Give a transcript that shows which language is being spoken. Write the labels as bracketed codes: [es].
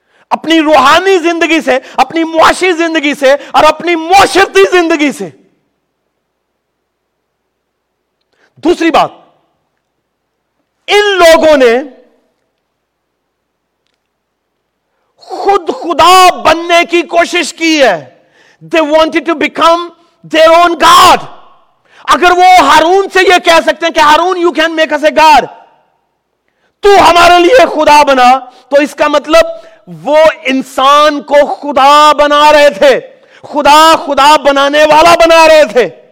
[ur] اپنی روحانی زندگی سے, اپنی معاشی زندگی سے, اور اپنی معاشرتی زندگی سے. دوسری بات, ان لوگوں نے خود خدا بننے کی کوشش کی ہے. [en] They wanted to become their own god. [ur] اگر وہ ہارون سے یہ کہہ سکتے ہیں کہ Haroon [en] you can make us a god, [ur] تو ہمارے لیے خدا بنا, تو اس کا مطلب وہ انسان کو خدا بنا رہے تھے, خدا خدا بنانے والا بنا رہے تھے.